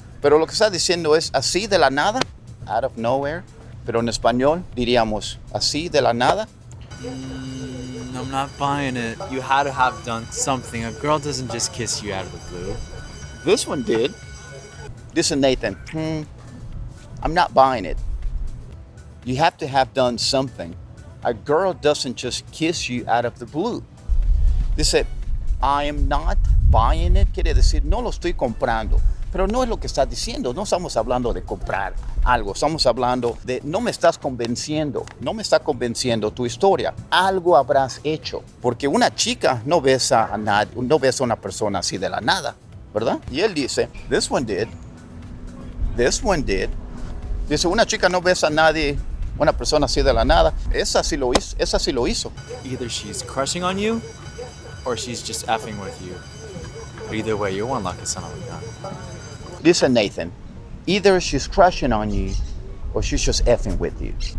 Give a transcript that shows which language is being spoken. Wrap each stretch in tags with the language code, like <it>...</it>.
<es>Pero lo que está diciendo es así de la nada, out of nowhere. Pero en español diríamos así de la nada.</es> <en>I'm not buying it. You had to have done something. A girl doesn't just kiss you out of the blue. This one did. Listen, Nathan. I'm not buying it. You have to have done something. A girl doesn't just kiss you out of the blue.</en> <es>Dice, I am not buying it. Quiere decir, no lo estoy comprando. Pero no es lo que estás diciendo. No estamos hablando de comprar algo. Estamos hablando de no me estás convenciendo. No me está convenciendo tu historia. Algo habrás hecho. Porque una chica no besa a nadie, no besa a una persona así de la nada, ¿verdad?</es> <en>Y él dice, this one did. This one did.</en> <es>Dice, una chica no besa a nadie, una persona así de la nada. Esa sí lo hizo. Esa sí lo hizo.</es> <en>Either she's crushing on you or she's just effing with you. Either way, you're one lucky son of a gun. Listen, Nathan. Either she's crushing on you, or she's just effing with you.</en>